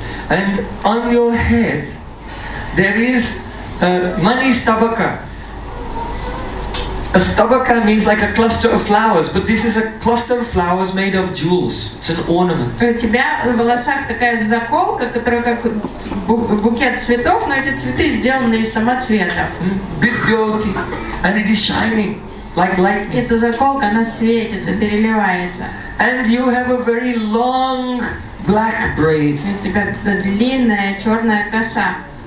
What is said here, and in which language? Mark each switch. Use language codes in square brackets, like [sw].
[en] And on your head there is manistabaka. A stavaka means like a cluster of flowers, but this is a cluster of flowers made of jewels. It's an ornament. [ru] У тебя в волосах такая заколка, которая как букет цветов, но эти цветы сделаны из самоцветов. [en] Vidyoti, and it is shining like lightning. [ru] Эта заколка, она светится, переливается. [en] And you have a very long black braid. [ru] У тебя длинная черная коса.